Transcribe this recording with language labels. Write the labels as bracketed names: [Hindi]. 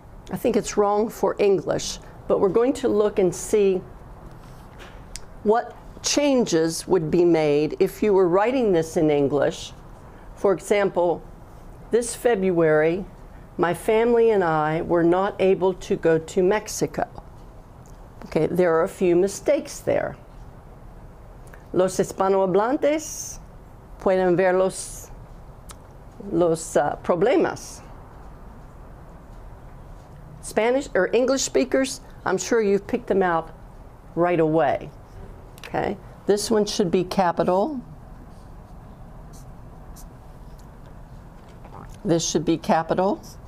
[English] I think it's wrong for English, but we're going to look and see what changes would be made if you were writing this in English. For example, this February, my family and I were not able to go to Mexico. Okay, there are a few mistakes there. [Spanish] Los hispanohablantes pueden ver los problemas. [English] Spanish or English speakers, I'm sure you've picked them out right away. Okay, this one should be capital. This should be capital.